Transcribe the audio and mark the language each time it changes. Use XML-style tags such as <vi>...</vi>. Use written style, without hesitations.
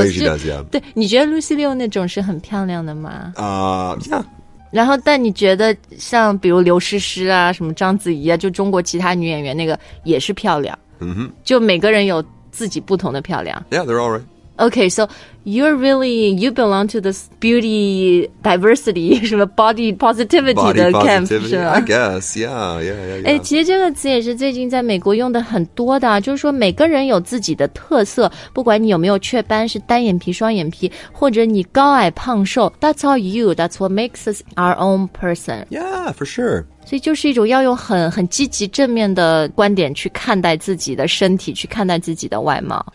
<en>I think she does, yeah.</en> <zh>对，你觉得 Lucy Liu 那种是很漂亮的吗？</zh> <en>Yeah.</en> <zh>然后，但你觉得像比如刘诗诗啊，什么章子怡啊，就中国其他女演员那个也是漂亮。嗯哼。就每个人有自己不同的漂亮。</zh> <en>Yeah, they're all right. Okay, so you're really, you belong to this beauty diversity, body positivity camp. Body positivity, I guess, yeah.</en> <zh>其实这个词也是最近在美国用的很多的、啊、就是说每个人有自己的特色，不管你有没有雀斑，是单眼皮双眼皮，或者你高矮胖瘦，</zh> <en>that's all you, that's what makes us our own person. Yeah, for sure.</en> <zh>所以就是一种要用很积极正面的观点去看待自己的身体，去看待自己的外貌。</zh>